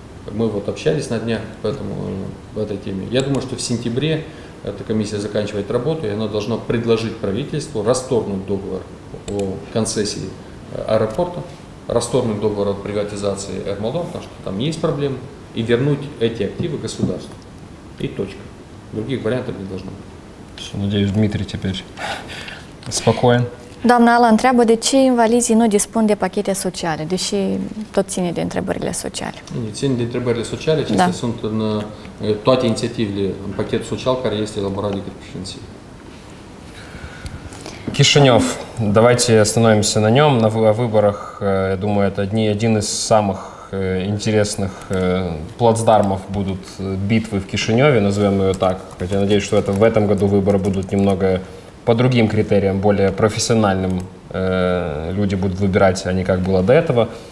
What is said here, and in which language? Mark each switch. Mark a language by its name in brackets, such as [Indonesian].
[Russian] Мы вот общались на днях поэтому в этой теме. Я думаю, что в сентябре эта комиссия заканчивает работу, и она должна предложить правительству расторгнуть договор о концессии аэропорта, расторгнуть договор о приватизации Эрмадур, потому что там есть проблемы, и вернуть эти активы государству. И точка. Других вариантов не должно быть. Надеюсь, Дмитрий теперь спокоен. [Romanian] Doamna Ala întreabă, de ce invalizii nu dispun de pachete sociale, deși tot ține de întrebările sociale? Ține de întrebările sociale, acestea da. Sunt în toate inițiativele, în pachetul social care este elaborat de președinție. [Russian] Кишинев. Давайте остановимся на нем. На выборах, я думаю, это один из самых интересных плацдармов будут битвы в Кишиневе, назовем ее так. Хотя надеюсь, что это в этом году выборы будут немного по другим критериям, более профессиональным люди будут выбирать, а не как было до этого.